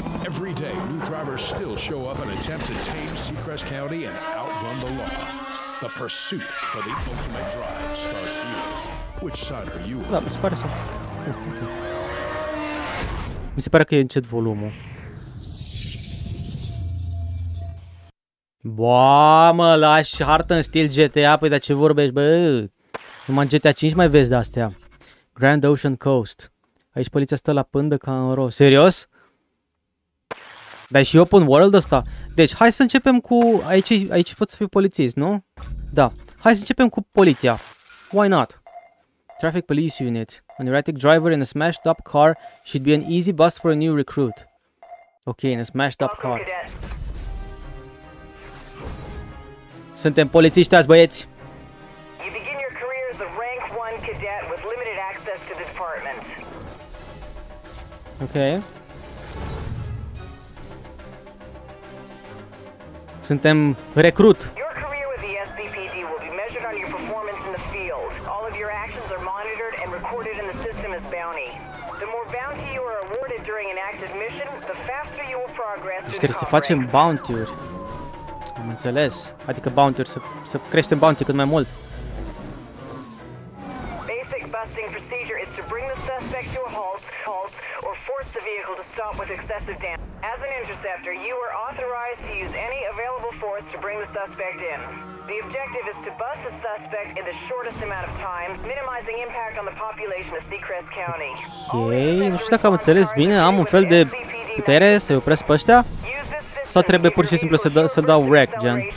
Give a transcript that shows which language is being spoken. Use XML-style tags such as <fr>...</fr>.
<en>Every day, new drivers still show up and attempt to tame Seacrest County and outrun the law. The pursuit for the ultimate drive starts here. Which side are you on?</en> <ro>Da, mi se pare să... Mi se pare că e încet volumul. Boamă, lași hartă în stil GTA, păi dar ce vorbești, bă? Numai în GTA 5 mai vezi de-astea. Grand Ocean Coast. Aici poliția stă la pândă ca în ro. Serios? Dar și open world ăsta. Deci, hai să începem cu... Aici poți să fii polițist, nu? Da. Hai să începem cu poliția.</ro> <en>Why not? Traffic Police Unit. An erratic driver in a smashed up car should be an easy bus for a new recruit. Ok, in a smashed up car.</en> <ro>Suntem polițiști azi, băieți!</ro> <en>You begin your career as a rank 1 cadet with limited access to the department. Ok.</en> <ro>Suntem recrut.</ro> <en>Your career with the SCPD will be measured on your performance in the field. All of your actions are monitored and recorded in the system as bounty. The more bounty you are awarded during an active mission, the faster you will progress.</en> <ro>Deci trebuie să facem bounty-uri. Am înțeles. Adică bounty-uri, să creștem bounty cât mai mult.</ro> <en>Basic busting procedure is to bring the suspect to a halt or force the vehicle to stop with excessive damage. As an interceptor, you are authorized to use any available force to bring the suspect in. The objective is to bust the suspect in the shortest amount of time, minimizing impact on the population of Seacrest County. Okay.</en> <ro>Nu știu dacă am înțeles bine, am un fel de putere să-i opresc pe ăștia? Sau trebuie pur și simplu să dau wreck, gen?</ro>